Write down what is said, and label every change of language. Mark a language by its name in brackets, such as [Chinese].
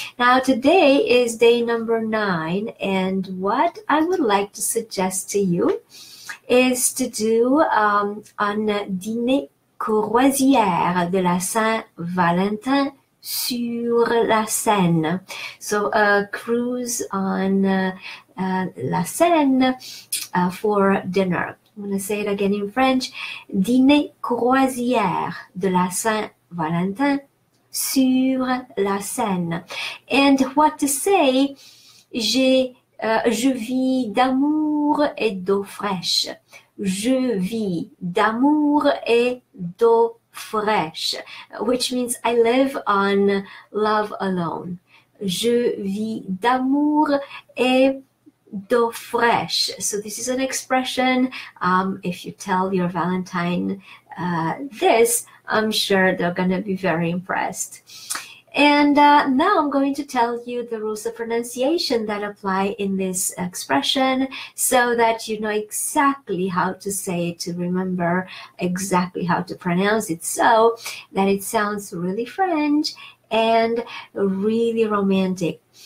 [English] Now, today is day number 9, and what I would like to suggest to you is to do on [French] dîner croisière de la Saint-Valentin sur la Seine. [English] So a cruise on la Seine for dinner. I'm going to say it again in French. [French] Dîner croisière de la Saint-Valentin sur la Seine. [English] And what to say, [French] je vis d'amour et d'eau fraîche. Je vis d'amour et d'eau fraîche, [English] which means I live on love alone. [French] Je vis d'amour et d'eau fraîche. [English] So this is an expression. If you tell your Valentine this, I'm sure they're going to be very impressed. And now I'm going to tell you the rules of pronunciation that apply in this expression so that you know exactly how to say it, to remember exactly how to pronounce it so that it sounds really French and really romantic.